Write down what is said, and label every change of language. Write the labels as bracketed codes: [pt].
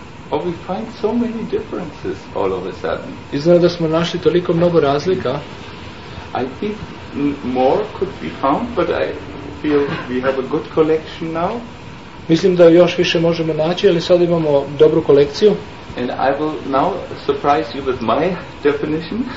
[en] Oh, we find so many differences all of a sudden. [hr] Izgleda da smo našli toliko mnogo razlika. [en] I think more could be found, but I feel we have a good collection now. [hr] Mislim da još više možemo naći, ali sad imamo dobru kolekciju. [en] And I will now surprise you with my definition.